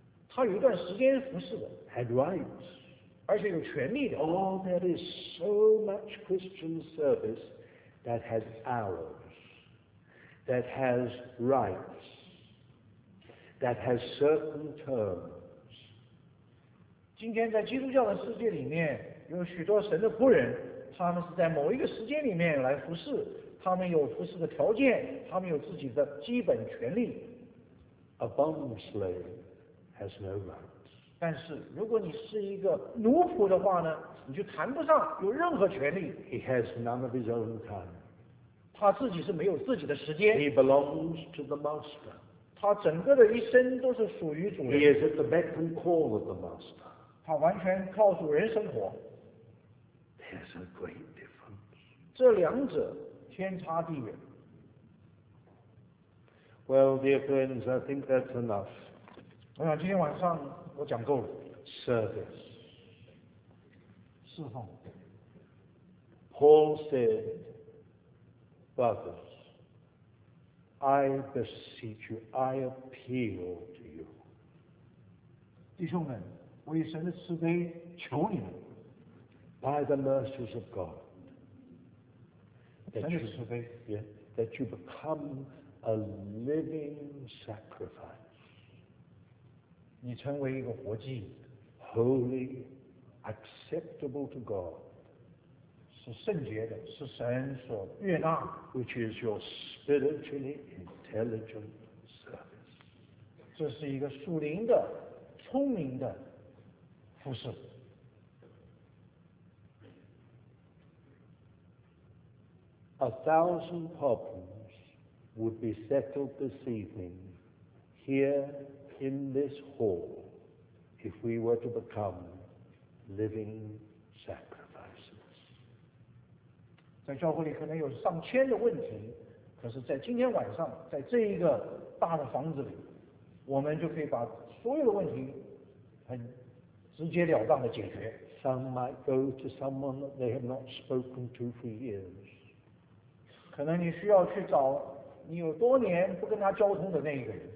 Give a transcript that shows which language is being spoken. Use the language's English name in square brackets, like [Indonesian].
[Chinese] 他有一段时间服侍的。 [English] Had rights。 [Chinese] 而且有权利的。 [English] Oh, there is so much Christian service. That has hours, that has rights, that has certain terms. [Chinese] 今天在基督教的世界里面，有许多神的仆人，他们是在某一个时间里面来服侍，他们有服侍的条件，他们有自己的基本权利。 [English] A bond slave has no rights. [Chinese] 但是如果你是一个奴仆的话呢，你就谈不上有任何权利。 [English] He has none of his own time. [Chinese] 他自己是没有自己的时间。 [English] He belongs to the master. [Chinese] 他整个的一生都是属于主人。 [English] He is at the beck and call of the master. [Chinese] 他完全靠主人生活。 [English] There's a great difference. [Chinese] 这两者天差地远。 [English] Well, dear friends, I think that's enough. [Chinese] 我想今天晚上我讲够了。 [English] Service. [Chinese] 侍奉。 [English] Paul said. Brothers, I beseech you, I appeal to you. [Chinese] 弟兄们，我以神的慈悲求你们。 [English] By the mercies of God. [Chinese] 神的慈悲。 [English] Yeah, that you become a living sacrifice. [Chinese] 你成为一个活祭。 [English] Holy, acceptable to God. [Chinese] 是圣洁的，是神所悦纳的。 [English] Which is your spiritually intelligent service. [Chinese] 这是一个属灵的、聪明的服侍。 [English] A thousand problems would be settled this evening here in this hall if we were to become living sacrifices. [Chinese] 在教会里可能有上千的问题，可是在今天晚上，在这一个大的房子里，我们就可以把所有的问题很直截了当的解决。 [English] Some might go to someone that they have not spoken to for years. [Chinese] 可能你需要去找你有多年不跟他交通的那一个人。